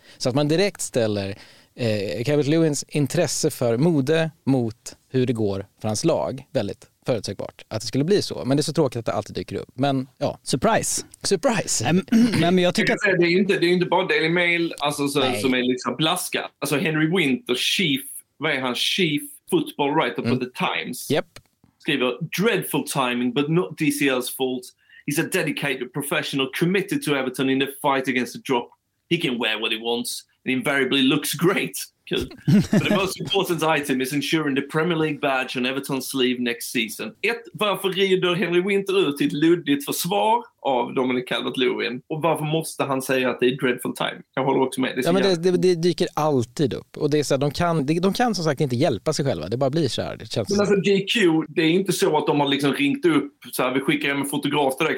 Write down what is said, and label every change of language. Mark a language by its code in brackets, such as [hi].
[sv] Så att man direkt ställer Calvert-Lewins intresse för mode mot hur det går för hans lag. Väldigt förutsägbart att det skulle bli så. Men det är så tråkigt att det alltid dyker upp. Men ja. [en] Surprise! [sv] men jag tycker att... Det är inte bara Daily Mail alltså, som är liksom blaskat. Alltså [en] Henry Winter, chief football writer for the Times. Yep. [sv] Skriver: [en] "Dreadful timing, but not DCL's fault. He's a dedicated professional committed to Everton in the fight against the drop. He can wear what he wants and invariably looks great. But the most important item is ensuring the Premier League badge on Everton's sleeve next season." [sv] Ett, varför rider Henry Winter ut i ett luddigt försvar av Dominic Calvert-Lewin? Och varför måste han säga att det är [en] dreadful time? [sv] Jag håller också med. Det dyker alltid upp. Och det är så här, de kan som sagt inte hjälpa sig själva. Det bara blir så här. Det känns men så alltså GQ, det är inte så att de har liksom ringt upp så här: "Vi skickar hem en fotograf till dig.